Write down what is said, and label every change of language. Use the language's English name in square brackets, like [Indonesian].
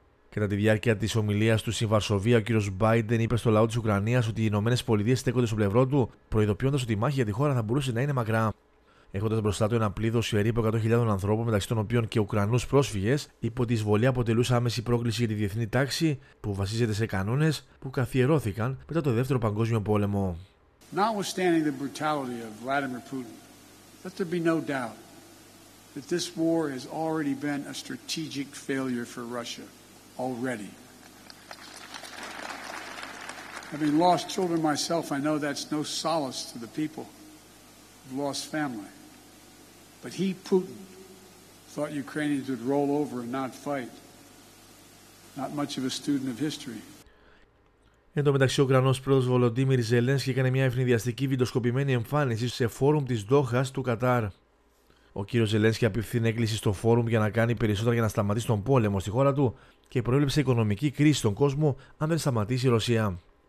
[Greek] Κατά τη διάρκεια της ομιλίας του στη Βαρσοβία, ο κ. Μπάιντεν είπε στο λαό της Ουκρανίας ότι οι ΗΠΑ στέκονται στο πλευρό του, προειδοποιώντας ότι η μάχη για τη χώρα θα μπορούσε να είναι μακρά. Έχοντας μπροστά του ένα πλήθος περίπου 100.000 ανθρώπων, μεταξύ των οποίων και Ουκρανούς πρόσφυγες, υπό τη εισβολή αποτελούσε άμεση πρόκληση για τη διεθνή τάξη που βασίζεται σε κανόνες που καθιερώθηκαν μετά το Δεύτερο Παγκόσμιο Πόλεμο. [English] Notwithstanding the brutality of Vladimir Putin, let there be no doubt that this war has already been a strategic failure for Russia already. Having lost children myself, I know that's no solace to the people. Lost family. But he, Putin, thought Ukrainians would roll over and not fight. Not much of a student of history. [Greek] Εν τω μεταξύ, ο Ουκρανός πρόεδρος Βολοντίμιρ Ζελένσκι έκανε μια ευνηδιαστική βιντεοσκοπημένη εμφάνιση σε φόρουμ της Ντόχας του Κατάρ. Ο κύριος Ζελένσκι απευθύνει έκκληση στο φόρουμ για να κάνει περισσότερα για να σταματήσει τον πόλεμο στη χώρα του και προέβλεψε οικονομική κρίση στον κόσμο αν δεν σταματήσει η Ρωσία.